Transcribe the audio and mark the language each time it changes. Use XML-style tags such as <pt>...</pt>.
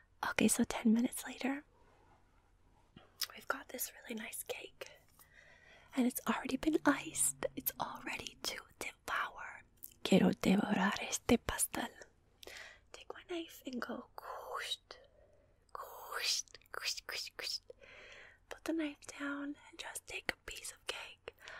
<en>Okay, so 10 minutes later, we've got this really nice cake, and it's already been iced. It's all ready to devour.</en> <es>Quiero devorar este pastel.</es> <en>Take my knife and go kushed, kushed, kushed, kushed, kushed. Put the knife down and just take a piece of cake.</en>